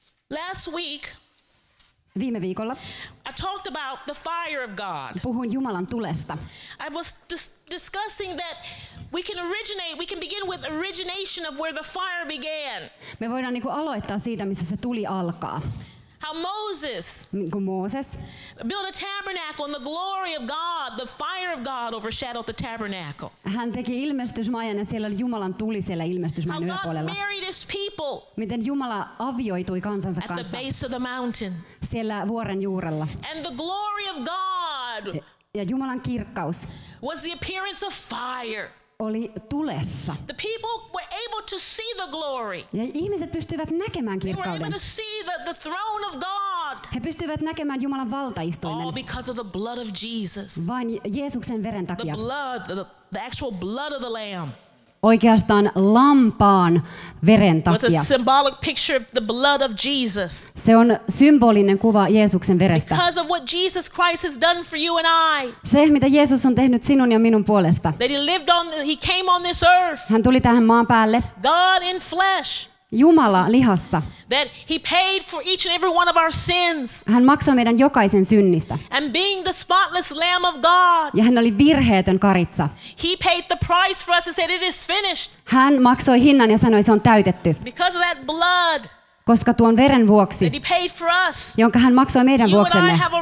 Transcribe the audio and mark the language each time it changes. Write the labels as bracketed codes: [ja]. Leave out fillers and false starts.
[en] Last week, [fi] viime viikolla, [en] I talked about the fire of God. [fi] Puhuin Jumalan tulesta. [en] I was discussing that we can originate, we can begin with origination of where the fire began. [fi] Me voidaan niinku aloittaa siitä, missä se tuli alkaa. [en] How Moses, [fi] niinku Mooses, [en] built a tabernacle and the glory of God, the fire of God overshadowed the tabernacle. [fi] Hän teki ilmestysmajan ja siellä oli Jumalan tuli siellä ilmestysmajan yläpuolella. [en] How God married his people. [fi] Miten Jumala avioitui kansansa kanssa. [en] At the base of the mountain. [fi] Siellä vuoren juurella. [en] And the glory of God. [fi] Ja Jumalan kirkkaus. [en] Was the appearance of fire. [fi] Oli tulessa. [en] The people were able to see the glory. [fi] Ja ihmiset pystyivät näkemään kirkkauden. [en] They were able to see the throne of God. [fi] He pystyivät näkemään Jumalan valtaistuimen. [en] All because of the blood of Jesus. [fi] Vain Jeesuksen veren takia. [en] The blood, the actual blood of the lamb. [fi] Oikeastaan lampaan veren takia. [en] Was a symbolic picture of the blood of Jesus. [fi] Se on symbolinen kuva Jeesuksen verestä. [en] Because of what Jesus Christ has done for you and I. [fi] Se, mitä Jeesus on tehnyt sinun ja minun puolesta. [en] That he lived on, he came on this earth. [fi] Hän tuli tähän maan päälle. [en] God in flesh. [fi] Jumala lihassa. [en] That he paid for each and every one of our sins. [fi] Hän maksoi meidän jokaisen synnistä. [en] And being the spotless lamb of God. [fi] Ja hän oli virheetön karitsa. [en] He paid the price for us and said it is finished. [fi] Hän maksoi hinnan ja sanoi se on täytetty. [en] Because of that blood. [fi] koska tuon veren vuoksi, jonka hän maksoi meidän vuoksemme.